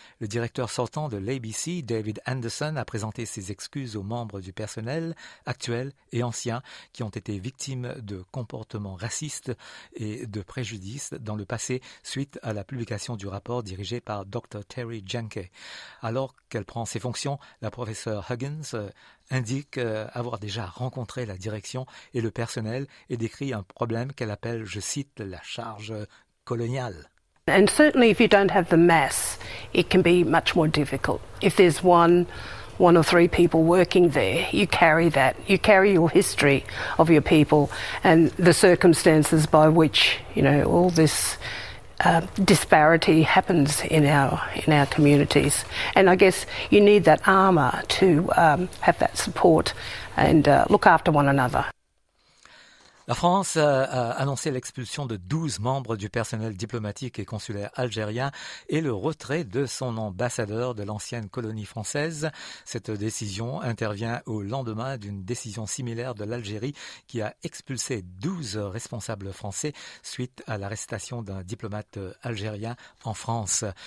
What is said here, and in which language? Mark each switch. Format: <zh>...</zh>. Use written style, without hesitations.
<fr>Le directeur sortant de l'ABC, David Anderson, a présenté ses excuses aux membres du personnel actuel et ancien qui ont été victimes de comportements racistes et de préjudices dans le passé suite à la publication du rapport dirigé par Dr. Terry Jenke. Alors qu'elle prend ses fonctions, la professeure Huggins indique avoir déjà rencontré la direction et le personnel et décrit un problème qu'elle appelle, je cite, la charge coloniale.</fr> <en>And certainly if you don't have the mass, it can be much more difficult. If there's one or three people working there, you carry that. You carry your history of your people and the circumstances by which, you know, all this disparity happens in our communities, and I guess you need that armor to have that support and look after one another.</en> <fr>La France a annoncé l'expulsion de 12 membres du personnel diplomatique et consulaire algérien et le retrait de son ambassadeur de l'ancienne colonie française. Cette décision intervient au lendemain d'une décision similaire de l'Algérie qui a expulsé 12 responsables français suite à l'arrestation d'un diplomate algérien en France.</fr>